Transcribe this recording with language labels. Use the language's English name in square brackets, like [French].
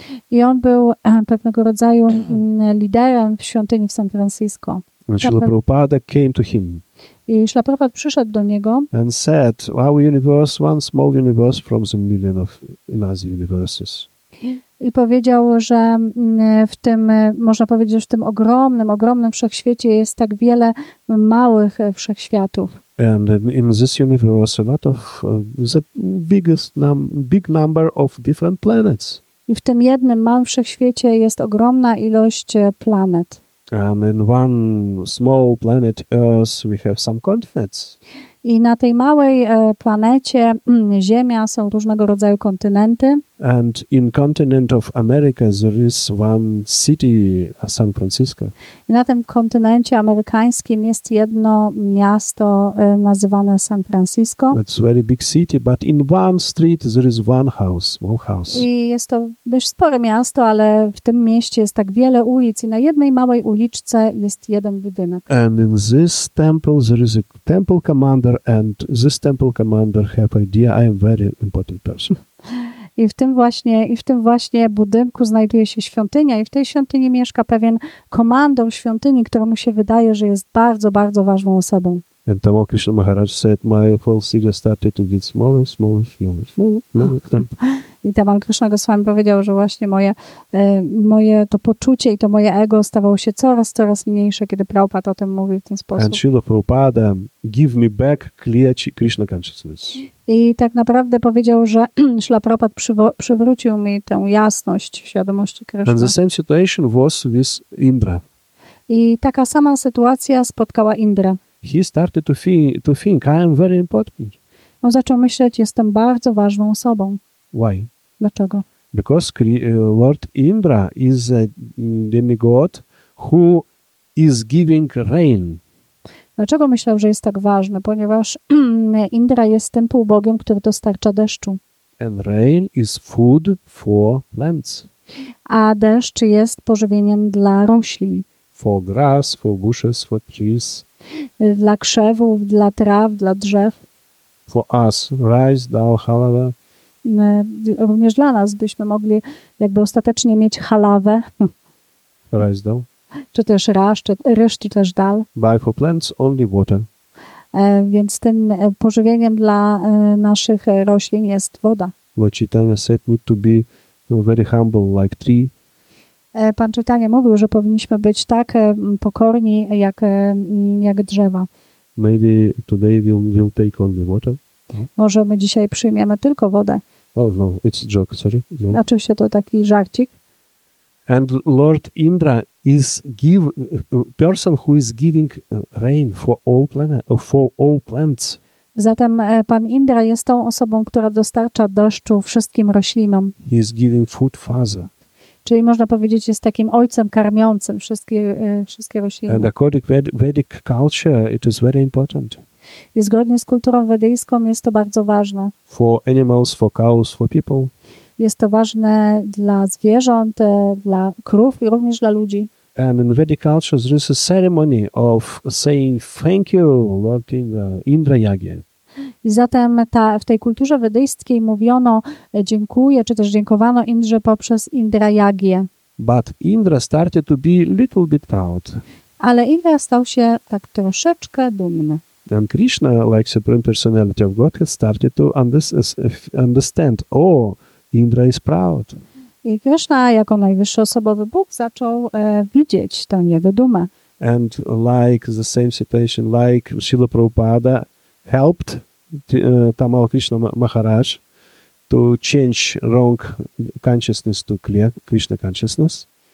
[Polish] I on był pewnego rodzaju liderem w świątyni w San Francisco. [English] Śrila Prabhupada came to him. [Polish] I Śrila Prabhupada przyszedł do niego. [English] And said, our universe, one small universe from the million of other universes. [Polish] I powiedział, że w tym, można powiedzieć, że w tym ogromnym, ogromnym wszechświecie jest tak wiele małych wszechświatów. [English] And in this universe, a lot of the biggest big number of different planets. [Polish] I w tym jednym małym wszechświecie jest ogromna ilość planet. [English] And in one small planet Earth, we have some continents. [Polish] I na tej małej planecie Ziemia są różnego rodzaju kontynenty. [English] And in continent of America there is one city, San Francisco. [Polish] I na tym kontynencie amerykańskim jest jedno miasto nazywane San Francisco. [English] It's a very big city, but in one street there is one house. [Polish] I jest to dość spore miasto, ale w tym mieście jest tak wiele ulic i na jednej małej uliczce jest jeden budynek. [English] And in this temple there is a temple commander, and this temple commander have idea I am very important person. [Polish] I w tym właśnie budynku znajduje się świątynia i w tej świątyni mieszka pewien komandor świątyni, któremu się wydaje, że jest bardzo, bardzo ważną osobą. [English] And Tamo Krishna Maharaj said, my false ego started to get smaller, smaller, smaller, smaller. [Polish] I Tamo Krishna Goswami powiedział, że właśnie moje to poczucie i to moje ego stawało się coraz, coraz mniejsze, kiedy Prabhupada o tym mówił w ten sposób. [English] And Srila Prabhupada, give me back clear Krishna consciousness. [Polish] I tak naprawdę powiedział, że Srila Prabhupada przywrócił mi tę jasność świadomości Krishna. [English] And the same situation was with Indra. [Polish] I taka sama sytuacja spotkała Indra. [English] He started to think, I am very important. [Polish] On zaczął myśleć, jestem bardzo ważną osobą. [English] Why? [Polish] Dlaczego? [English] Because Lord Indra is a demigod who is giving rain. [Polish] Dlaczego myślał, że jest tak ważny? Ponieważ Indra jest tym półbogiem, który dostarcza deszczu. [English] And rain is food for plants. [Polish] A deszcz jest pożywieniem dla roślin. [English] For grass, for bushes, for trees. [Polish] Dla krzewów, dla traw, dla drzew. [English] For us, rice, dal, halawa. [Polish] Również dla nas, byśmy mogli jakby ostatecznie mieć halawę. [English] Rice, dal. [Polish] Czy też ryż, czy też dal. [English] But for plants, only water. [Polish] Więc tym pożywieniem dla naszych roślin jest woda. [English] Lord Chaitanya said need to be very humble, like tree. [Polish] Pan Czytanie mówił, że powinniśmy być tak pokorni jak drzewa. [English] Maybe today we'll take only water. [Polish] Może my dzisiaj przyjmiemy tylko wodę. [English] Oh no, it's a joke, sorry. No. [Polish] Oczywiście to taki żarcik. [English] And Lord Indra is give person who is giving rain for all planet, for all plants. [Polish] Zatem pan Indra jest tą osobą, która dostarcza deszczu wszystkim roślinom. [English] He is giving food father. [Polish] Czyli można powiedzieć, jest takim ojcem karmiącym wszystkie rośliny. [English] And according to Vedic culture, it is very important. [Polish] I zgodnie z kulturą wedyjską jest to bardzo ważne. [English] For animals, for cows, for people. [Polish] Jest to ważne dla zwierząt, dla krów i również dla ludzi. [English] And in Vedic culture, there is a ceremony of saying thank you, Lord Indra Yagya. [Polish] I zatem w tej kulturze wedyjskiej mówiono dziękuję, czy też dziękowano Indrze poprzez Indra Yagię. [English] But Indra started to be little bit proud. [Polish] Ale Indra stał się tak troszeczkę dumny. [English] And Krishna, like Supreme Personality of Godhead, started to understand, Indra is proud. [Polish] I Krishna, jako najwyższy osobowy Bóg, zaczął widzieć tę jego dumę. [English] And like the same situation, like Srila Prabhupada, helped Tamal Krishna Maharaj to change wrong consciousness to clear Krishna consciousness.